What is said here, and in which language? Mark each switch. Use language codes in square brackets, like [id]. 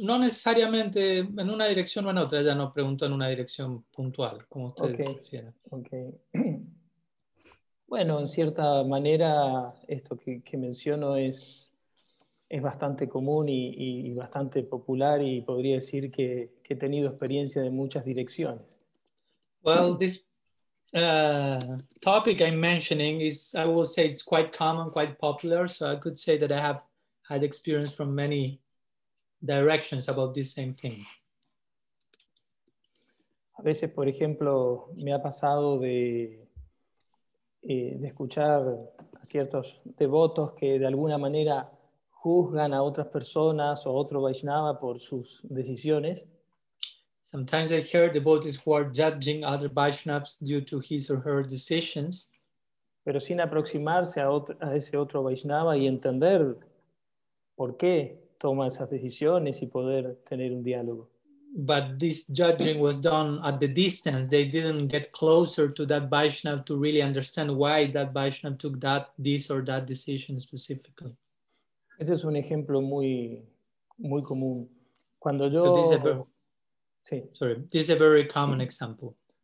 [es] No necesariamente en una dirección o en otra, ya no pregunto en una dirección puntual, como usted quiera. [en] Okay. [es] Bueno, en cierta manera, esto que menciono es bastante común y bastante popular, y podría decir que he tenido experiencia de muchas direcciones. [en] Well, this topic I'm mentioning is, I will say, it's quite common, quite popular, so I could say that I have had experience from many directions about this same thing. [es] A veces, por ejemplo, me ha pasado de escuchar a ciertos devotos que de alguna manera juzgan a otras personas o otro Vaishnava por sus decisiones. [en] Sometimes I hear devotees who are judging other Vaishnavas due to his or her decisions. [es] Pero sin aproximarse a ese otro Vaishnava y entender por qué toma esas decisiones y poder tener un diálogo. [en] But this judging was done at the distance. They didn't get closer to that Vaishnava to really understand why that Vaishnava took this or that decision specifically. [es] Ese es un ejemplo muy, muy común. Cuando yo... [en] This is a very common example.